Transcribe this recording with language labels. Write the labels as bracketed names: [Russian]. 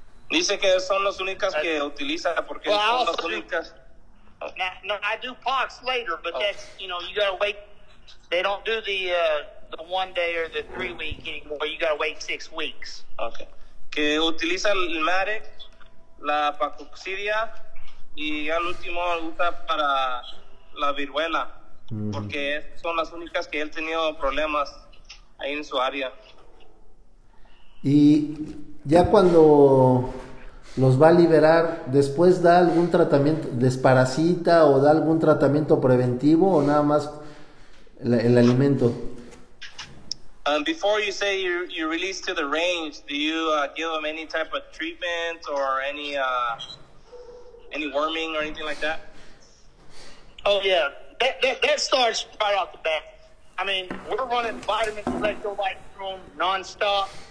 [Spanish] Dice que son las únicas que utiliza porque son las únicas. [English] No, I do pox later, but that's, you know, you gotta wait. They don't do the 1 day or the 3 week anymore. You gotta wait 6 weeks. Okay. [Spanish] Que utiliza el mare, la pacoxidia, y al último usa para la viruela, porque son las únicas que él ha tenido problemas ahí en su área. Y ya cuando los va a liberar, ¿después da algún tratamiento, desparasita o da algún tratamiento preventivo o nada más el alimento? [English] Before you say you release to the range, do you give them any type of treatment or any worming or anything like that? Oh, yeah. That starts right off the bat. I mean, we're running vitamins, electrolytes through them nonstop.